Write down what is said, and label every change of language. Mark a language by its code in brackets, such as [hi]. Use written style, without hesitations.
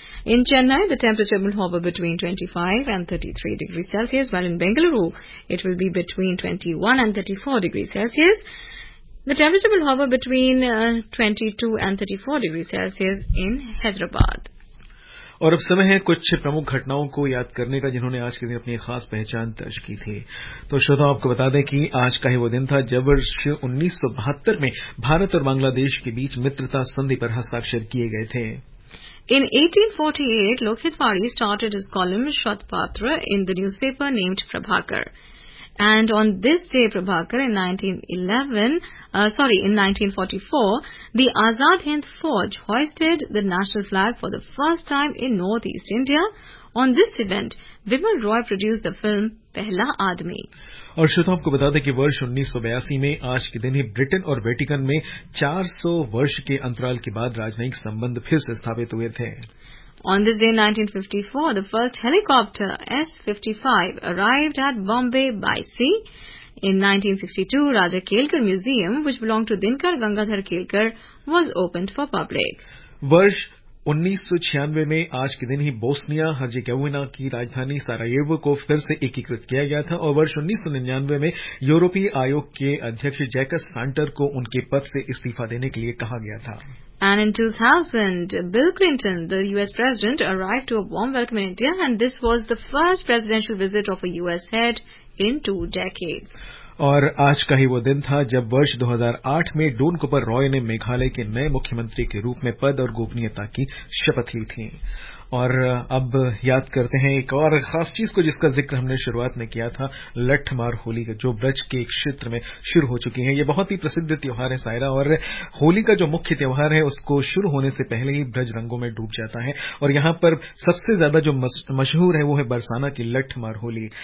[en] In Chennai, the temperature will hover between 25 and 33 degrees Celsius, while in Bengaluru, it will be between 21 and 34 degrees Celsius. The temperature will hover between 22 and 34 degrees Celsius in Hyderabad. [hi] और अब समय है कुछ प्रमुख घटनाओं को याद करने का जिन्होंने आज के दिन अपनी खास पहचान दर्ज की थी। तो श्रोताओं, आपको बता दें कि आज का ही वो दिन था जब वर्ष 1972 में भारत और बांग्लादेश के बीच मित्रता संधि पर हस्ताक्षर किए गए थे। [en] In 1848, Lokhit Wari started his column Shatpatra in the newspaper named Prabhakar. And on this day, Prabhakar, in 1944, the Azad Hind Fauj hoisted the national flag for the first time in Northeast India. On this event, Vimal Roy produced the film Pehla Aadmi. [hi] और श्रोताओं, आपको बता दें कि वर्ष 1982 में आज के दिन ही ब्रिटेन और वेटिकन में 400 वर्ष के अंतराल के बाद राजनयिक संबंध फिर से स्थापित हुए थे। [en] On this day, 1954, the first helicopter, S-55, arrived at Bombay by sea. In 1962, Raja Kelkar Museum, which belonged to Dinkar Gangadhar Kelkar, was opened for public. [hi] Varsh 1996 में आज के दिन ही बोस्निया हर्जेगोविना की राजधानी सारायेवो को फिर से एकीकृत किया गया था और वर्ष 1999 में यूरोपीय आयोग के अध्यक्ष जैकस सांटर को उनके पद से इस्तीफा देने के लिए कहा गया था। [en] And in 2000, Bill Clinton, the US president, arrived to a warm welcome in India and this was the first presidential visit of a US head in 2 decades. [hi] और आज का ही वो दिन था जब वर्ष 2008 में डोन कुपर रॉय ने मेघालय के नए मुख्यमंत्री के रूप में पद और गोपनीयता की शपथ ली थी। और अब याद करते हैं एक और खास चीज को जिसका जिक्र हमने शुरुआत में किया था, लट्ठमार होली का, जो ब्रज के एक क्षेत्र में शुरू हो चुकी है। ये बहुत ही प्रसिद्ध त्यौहार है सायरा, और होली का जो मुख्य त्यौहार है उसको शुरू होने से पहले ही ब्रज रंगों में डूब जाता है और यहां पर सबसे ज्यादा जो मशहूर है वो है बरसाना की लट्ठमार होली।